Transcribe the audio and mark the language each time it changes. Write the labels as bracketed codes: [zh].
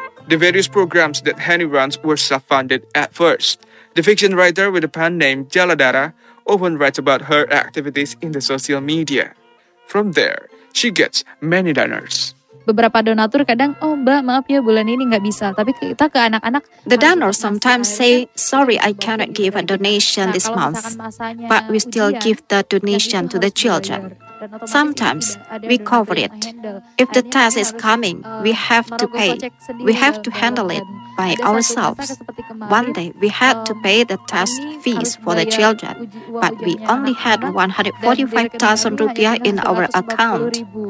[en] The various programs that Hani runs were self-funded at first. The fiction writer with a pen name Jaladara often writes about her activities in the social media. From there, she gets many donors. [id] Beberapa donatur kadang, oh mbak maaf ya bulan ini nggak bisa, tapi kita ke anak-anak. [en] The donors sometimes say, sorry I cannot give a donation this month, but we still give the donation to the children. Sometimes we cover it. If the test is coming, we have to pay. We have to handle it by ourselves. One day we had to pay the test fees for the children, but we only had 145,000 rupiah in our account.